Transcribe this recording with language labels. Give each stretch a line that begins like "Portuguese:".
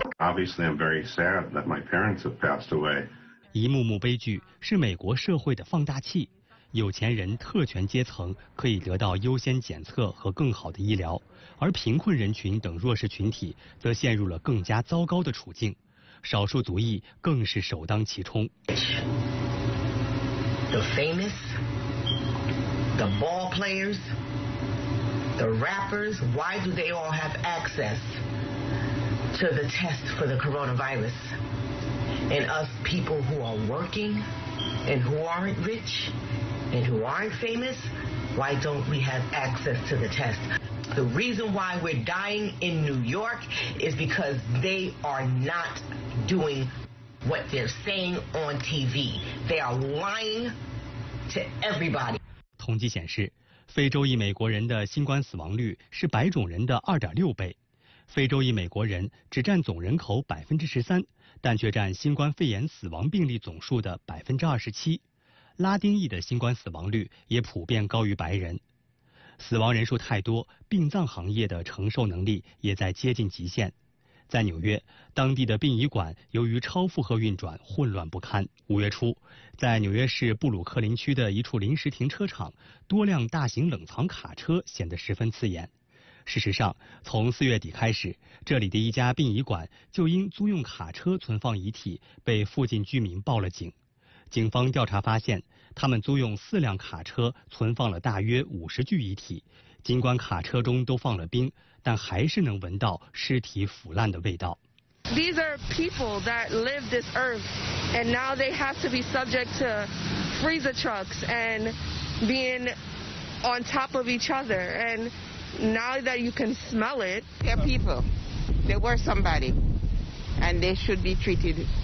English: Obviously, I'm very sad that my parents have passed away.
Chinese: 一幕幕悲剧是美国社会的放大器。有钱人、特权阶层可以得到优先检测和更好的医疗，而贫困人群等弱势群体则陷入了更加糟糕的处境，少数族裔更是首当其冲。
English: The famous, the ball players, the rappers, why do they all have access to the test for the coronavirus? And us people who are working and who aren't rich. And who aren't famous, why don't we have access to the test? The reason why we're dying in New York is because they are not doing what they're saying on TV. They are lying to everybody.
Chinese: 统计显示，非洲裔美国人的新冠死亡率是白种人的2.6倍。非洲裔美国人只占总人口 13%， 但却占新冠肺炎死亡病例总数的 27%。拉丁裔的新冠死亡率也普遍高于白人。死亡人数太多，殡葬行业的承受能力也在接近极限。在纽约，当地的殡仪馆由于超负荷运转混乱不堪。五月初，在纽约市布鲁克林区的一处临时停车场，多辆大型冷藏卡车显得十分刺眼。事实上，从四月底开始，这里的一家殡仪馆就因租用卡车存放遗体被附近居民报了警。警方调查发现，他们租用四辆卡车存放了大约50具遗体，尽管卡车中都放了冰，但还是能闻到尸体腐烂的味道。
English: These are people that live this earth, and now they have to be subject to freezer trucks and being on top of each other. And now that you can smell it, they're people. They were somebody, and they should be treated